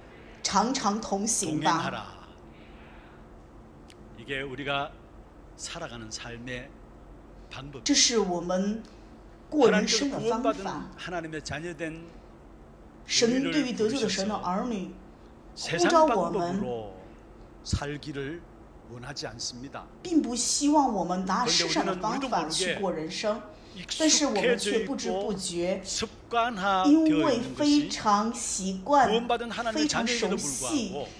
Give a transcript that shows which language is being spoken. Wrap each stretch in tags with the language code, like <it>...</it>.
<zh>与完成的福音话语常常同行的话，那么每一周、每一年、每一年，你们一生都会有珍贵的应允做工，就会被神祝福使用为珍贵的证人。所以你们一定要持这个话语跟我来一次，与完成的福音话语常常同行吧。</zh> <ko>이게 우리가 살아가는 삶의 방법.</ko> <zh>这是我们过人生的方法。</zh> <ko>하나님의 자녀된</ko> <zh>神对于得救的神的儿女，</zh> <ko>세상 방법으로 살기를 원하지 않습니다.</ko> <zh>并不希望我们拿世上的方法去过人生。但是我们却不知不觉，因为非常习惯，非常熟悉。</zh>